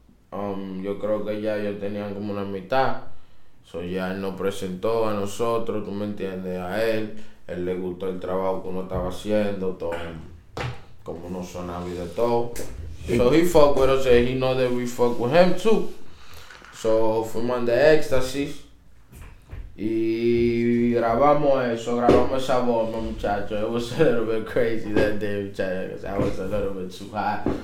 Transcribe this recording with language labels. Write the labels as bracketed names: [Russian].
[Spanish] Yo creo que ya ellos tenían como una amistad. So ya él nos presentó a nosotros, tú me entiendes, a él. Él le gustó el trabajo que uno estaba haciendo, todo, como no sonaba y de todo. [English] So he fuck with us and he know that we fuck with him too. [Spanish] So fuimos de Éxtasis y grabamos esa voz, mi muchacho. [English] It was a little bit crazy that day, muchacho, because I was a little bit too high.